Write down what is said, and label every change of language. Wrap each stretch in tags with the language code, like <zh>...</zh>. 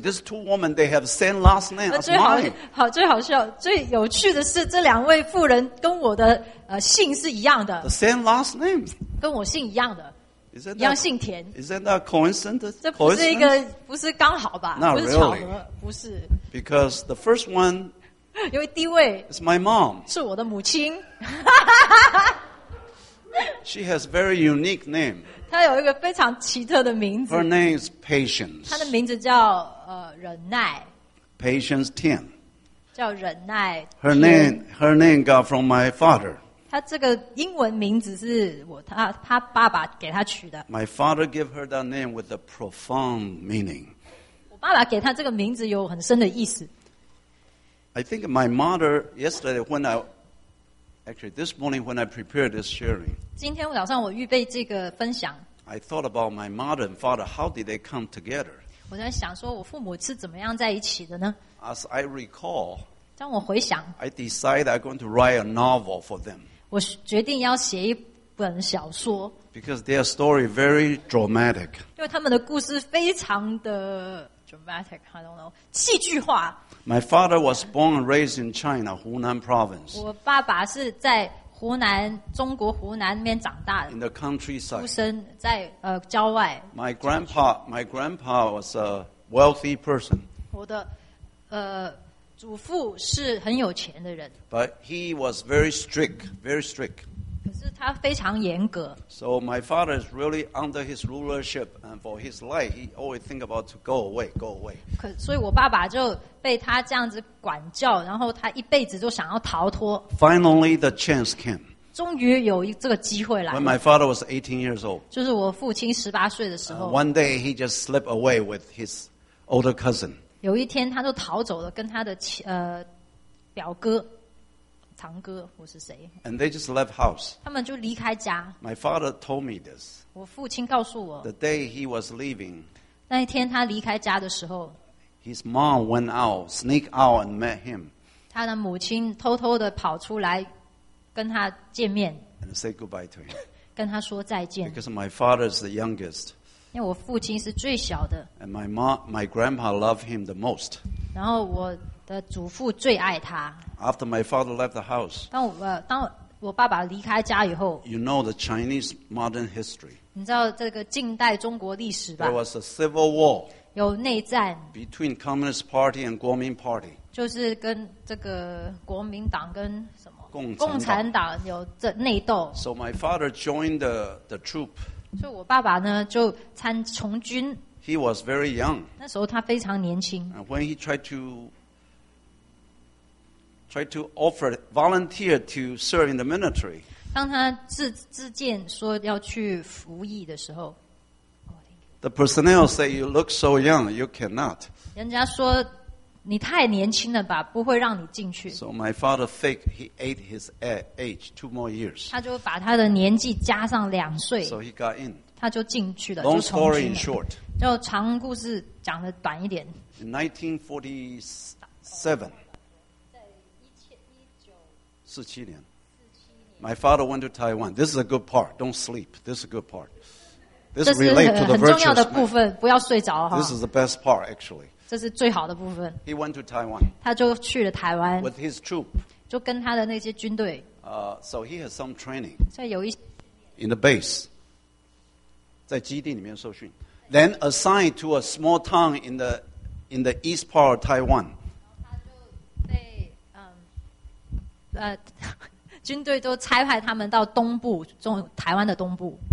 <en>These two women, they have same last name as mine.</en> <zh>好，最好笑，最有趣的是，这两位妇人跟我的姓是一样的。</zh> <en>The same last name.</en> <zh>跟我姓一样的。一样姓田。</zh> <en>Isn't that coincidence?</en> <zh>这不是一个，不是刚好吧？</zh> <en>Not really.</en> <zh>不是。</zh> <en>Because the first one.</en> <zh>因为第一位。</zh> <en>Is my mom.</en> <zh>是我的母亲。</zh> <en>She has very unique name.</en> <zh>她有一个非常奇特的名字。</zh> <en>Her name is Patience.</en> <zh>她的名字叫忍耐。</zh> <en>Patience Tian.</en> <zh>叫忍耐。</zh> <en>Her name got from my father.</en> <zh>她这个英文名字是她爸爸给她取的。</zh> <en>My father gave her that name with a profound meaning.</en> <zh>我爸爸给她这个名字有很深的意思。</zh> <en>I think my mother yesterday when I Actually, this morning when I prepared this sharing,</en> <zh>今天早上我预备这个分享</zh> <en>I thought about my mother and father. How did they come together?</en> <zh>我在想说我父母是怎么样在一起的呢</zh> <en>As I recall,</en> <zh>当我回想</zh> <en>I decided I'm going to write a novel for them.</en> <zh>我决定要写一本小说</zh> <en>Because their story is very dramatic.</en> <zh>因为他们的故事非常的</zh> <en>dramatic, I don't know,</en> <zh>戏剧化。</zh> <en>My father was born and raised in China, Hunan province.</en> <zh>我爸爸是在湖南，中国湖南那边长大的。</zh> <en>In the countryside.</en> <zh>出生在郊外。</zh> <en>My grandpa was a wealthy person.</en> <zh>我的祖父是很有钱的人。</zh> <en>But he was very strict, very strict.</en> <zh>可是他非常严格。</zh> <en>So my father is really under his rulership, and for his life, he always think about to go away, go away.</en> <zh>可所以我爸爸就。被他这样子管教，然后他一辈子就想要逃脱。</zh> <en>Finally, the chance came.</en> <zh>终于有这个机会来。</zh> <en>When my father was 18 years old,</en> <zh>就是我父亲十八岁的时候。</zh> <en>One day, he just slipped away with his older cousin.</en> <zh>有一天，他就逃走了，跟他的表哥、堂哥或是谁。</zh> <en>And they just left house.</en> <zh>他们就离开家。</zh> <en>My father told me this.</en> <zh>我父亲告诉我。</zh> <en>The day he was leaving.</en> <zh>那一天他离开家的时候。</zh> <en>His mom went out, sneaked out, and met him.</en> <zh>他的母亲偷偷的跑出来，跟他见面。</zh> <en>And say goodbye to him.</en> <zh>跟他说再见。</zh> <en>Because my father is the youngest.</en> <zh>因为我父亲是最小的。</zh> <en>And my grandpa loved him the most.</en> <zh>然后我的祖父最爱他。</zh> <en>After my father left the house.</en> <zh>当我爸爸离开家以后。</zh> <en>You know the Chinese modern history.</en> <zh>你知道这个近代中国历史吧</zh> <en>？There was a civil war.</en> <zh>有内战</zh> <en>，between Communist Party and 国民 Party，</en> <zh>就是跟这个国民党跟什么共产党有这内斗。</zh> <en>So my father joined the troop。</en> <zh>所以我爸爸呢就从军。</zh> <en>He was very young。</en> <zh>那时候他非常年轻。</zh> <en>And when he tried to volunteer to serve in the military，</en> <zh>当他自荐说要去服役的时候。</zh> <en>The personnel say you look so young, you cannot.</en> <zh>人家说你太年轻了吧，不会让你进去。</zh> <en>So my father faked he ate his age 2 more years.</en> <zh>他就把他的年纪加上两岁。</zh> <en>So he got in.</en> <zh>他就进去了。</zh> <en>Long story in short.</en> <zh>就长故事讲的短一点。</zh> <en>In 1947. 1947年。 My father went to Taiwan. This is a good part. Don't sleep. This is a good part. This relates to the virtuous man. This is the best part, actually. He went to Taiwan.</en> <zh>他就去了台湾</zh> <en>with his troop.</en> <zh>就跟他的那些军队</zh> <en>So he has some training.</en> <zh>所以有一些</zh> <en>in the base.</en> <zh>在基地里面受训</zh> <en>Then assigned to a small town in the east part of Taiwan.</en> <zh>他就被军队都差派他们到东部，中台湾的东部</zh>